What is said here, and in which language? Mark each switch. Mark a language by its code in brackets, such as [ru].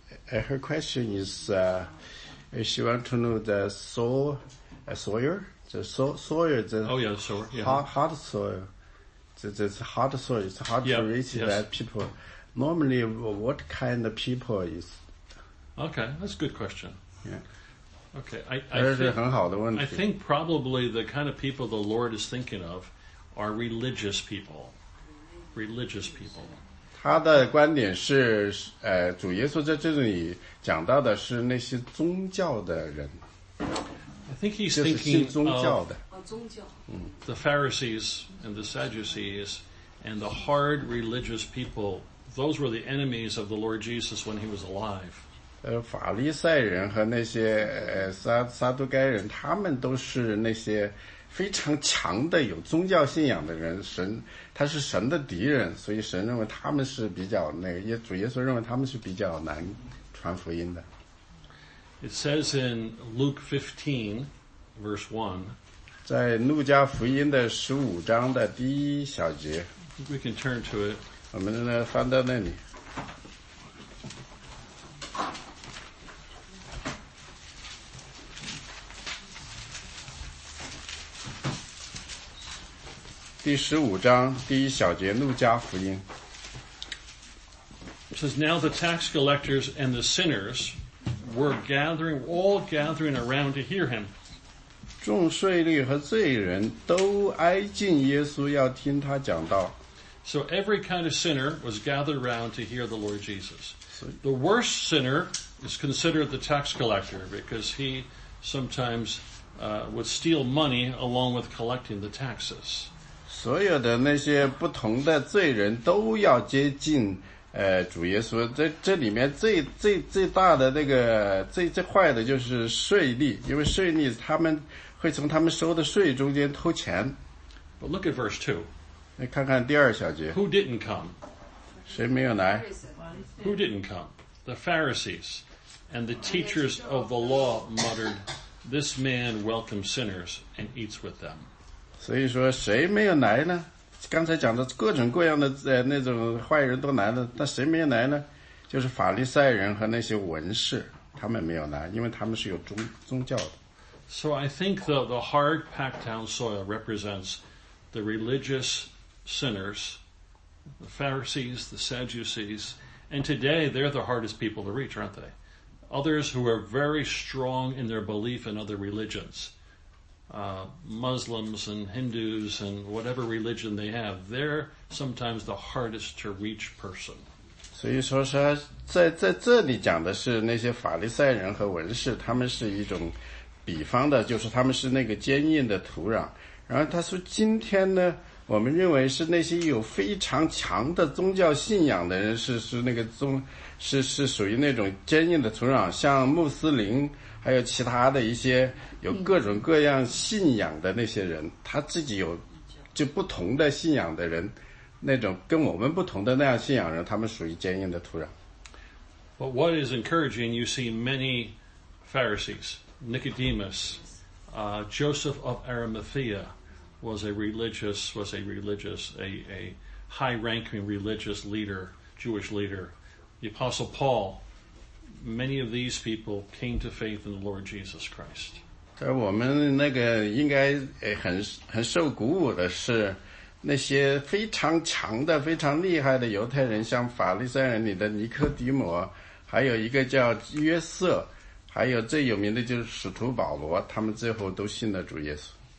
[en] her question is, she wants to know the soil, soil, the soil, the hard soil, hard soil, it's hard to reach that people. Normally, what kind of people is? Okay, that's a good question. Yeah. Okay, I think probably the kind of people the Lord is thinking of are religious people. Religious people. [zh] 他的观点是，主耶稣在这里讲到的是那些宗教的人。 [en] I think he's thinking of [zh] 宗教的。宗教。 [en] The Pharisees and the Sadducees and the hard religious people, those were the enemies of the Lord Jesus when he was alive. [zh] 法利赛人和那些撒都该人，他们都是那些非常强的有宗教信仰的人，神他是神的敌人，所以神认为他们是比较那个，也主耶稣认为他们是比较难传福音的。 [en] It says in Luke 15, verse 1, [zh] 在路加福音的十五章的第一小节。 [en] We can turn to it. [zh] 我们呢翻到那里。第十五章第一小节，路加福音。 [en] It says, now the tax collectors and the sinners were gathering, all gathering around to hear him. [zh] 众税吏和罪人都挨近耶稣，要听他讲道。 [en] So every kind of sinner was gathered around to hear the Lord Jesus. The worst sinner is considered the tax collector because he sometimes, would steal money along with collecting the taxes. [zh] 所有的那些不同的罪人都要接近，主耶稣。这里面最大的那个最坏的就是税吏，因为税吏他们会从他们收的税中间偷钱。 [en] But look at verse 2. [zh] 你看看第二小节。 [en] Who didn't come? [zh] 谁没有来 [en] ？Who didn't come? The Pharisees and the teachers of the law muttered, "This man welcomes sinners and eats with them." [zh] 所以说谁没有来呢？刚才讲的各种各样的那种坏人都来了，但谁没有来呢？就是法利赛人和那些文士，他们没有来，因为他们是有宗教的。 [en] So I think the hard packed down soil represents the religious sinners, the Pharisees, the Sadducees, and today they're the hardest people to reach, aren't they? Others who are very strong in their belief in other religions. Muslims and Hindus and whatever religion they have, they're sometimes the hardest to reach person. [zh] 所以说说在这里讲的是那些法利赛人和文士，他们是一种比方的，就是他们是那个坚硬的土壤。然后他说今天呢，我们认为是那些有非常强的宗教信仰的人，是那个是属于那种坚硬的土壤，像穆斯林还有其他的一些有各种各样信仰的那些人，他自己有就不同的信仰的人，那种跟我们不同的那样信仰人，他们属于坚硬的土壤。 [en] But what is encouraging, you see many Pharisees, Nicodemus, Joseph of Arimathea was a religious, a high ranking religious leader, Jewish leader. The Apostle Paul,Many of these people came to faith in the Lord Jesus Christ. [zh] 而我们那个应该很受鼓舞的是，那些非常强的、非常厉害的犹太人，像法利赛人里的尼科底摩，还有一个叫约瑟，还有最有名的就是使徒保罗，他们最后都信了主耶稣。